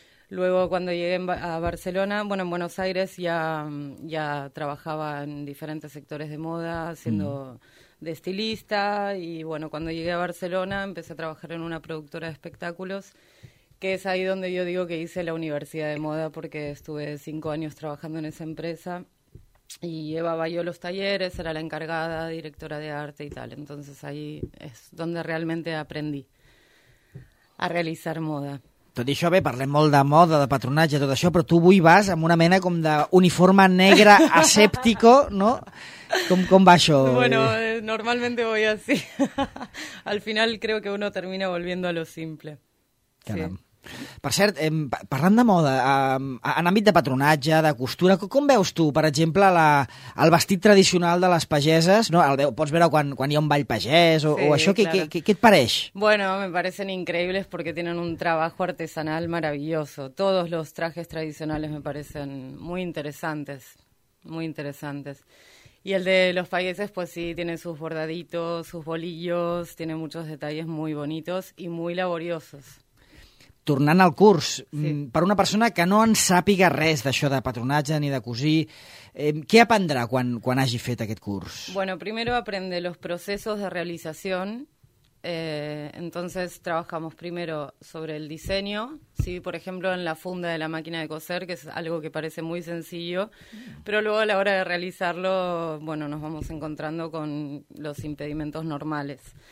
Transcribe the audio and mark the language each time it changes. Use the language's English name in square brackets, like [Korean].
[Spanish] Luego, cuando llegué a Barcelona, bueno, en Buenos Aires ya trabajaba en diferentes sectores de moda, siendo de estilista, y bueno, cuando llegué a Barcelona empecé a trabajar en una productora de espectáculos, que es ahí donde yo digo que hice la universidad de moda, porque estuve 5 años trabajando en esa empresa, y llevaba yo los talleres, era la encargada, directora de arte y tal, entonces ahí es donde realmente aprendí a realizar moda. [Catalan] Tot i això, bé, parlem molt de moda, de patronatge, tot això, però tu avui vas amb una mena com d'uniforme negre asèptico, no? Com va això? [Spanish] Bueno, normalmente voy así. Al final creo que uno termina volviendo a lo simple. [Catalan] Caram. Sí. Per cert, parlant de moda, en àmbit de patronatge, de costura, com veus tu, per exemple, el vestit tradicional de les pageses? No? Pots veure quan hi ha un ball pagès o això? [Spanish] Claro. [Catalan] Què et pareix? [Spanish] Bueno, me parecen increíbles porque tienen un trabajo artesanal maravilloso. Todos los trajes tradicionales me parecen muy interesantes, muy interesantes. Y el de los pagueses, pues sí, tiene sus bordaditos, sus bolillos, tiene muchos detalles muy bonitos y muy laboriosos. [Catalan] Tornant al curs, sí, per una persona que no en sàpiga res d'això de patronatge ni de cosir, què aprendrà quan hagi fet aquest curs? [Spanish] Bueno, primero aprende los procesos de realización. Entonces trabajamos primero sobre el diseño, ¿sí? Por ejemplo, en la funda de la máquina de coser, que es algo que parece muy sencillo, pero luego a la hora de realizarlo, bueno, nos vamos encontrando con los impedimentos normales.